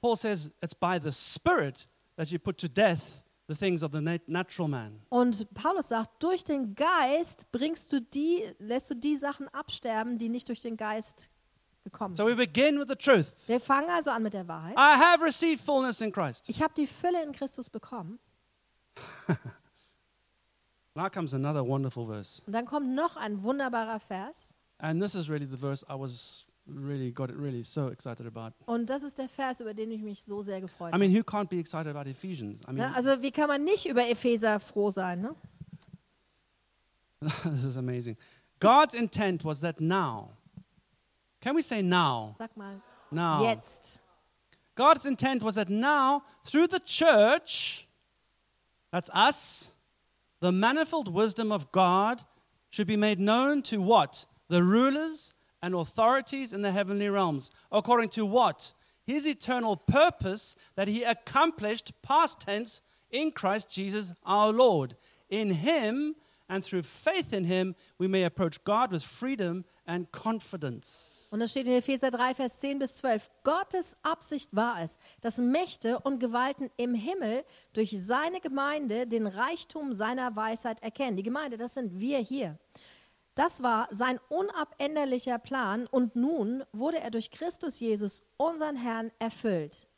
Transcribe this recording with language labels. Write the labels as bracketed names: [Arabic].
[English] Paul says, it's by the spirit that you put to death the things of the natural man. [German] Und Paulus sagt, durch den Geist bringst du die, lässt du die Sachen absterben, die nicht durch den Geist gekommen sind. [English] So we begin with the truth. [German] Wir fangen also an mit der Wahrheit. [English] I have received fullness in Christ. [German] Ich habe die Fülle in Christus bekommen. [English] Now comes another wonderful verse. [German] Und dann kommt noch ein wunderbarer Vers. [English] And this is really the verse I was really got it really so excited about. [German] Und das ist der Vers, über den ich mich so sehr gefreut [English] habe. I mean, who can't be excited about Ephesians? I mean, [German] also wie kann man nicht über Epheser froh sein, ne? [English] This is amazing. God's intent was that now. Can we say now? [German] Sag mal. [English] Now. [German] Jetzt. [English] God's intent was that now through the church, that's us, the manifold wisdom of God should be made known to what? The rulers and authorities in the heavenly realms. According to what? His eternal purpose that he accomplished, past tense, in Christ Jesus our Lord. In him and through faith in him, we may approach God with freedom and confidence. [German] Und es steht in Epheser 3, Vers 10 bis 12. Gottes Absicht war es, dass Mächte und Gewalten im Himmel durch seine Gemeinde den Reichtum seiner Weisheit erkennen. Die Gemeinde, das sind wir hier. Das war sein unabänderlicher Plan, und nun wurde er durch Christus Jesus, unseren Herrn, erfüllt.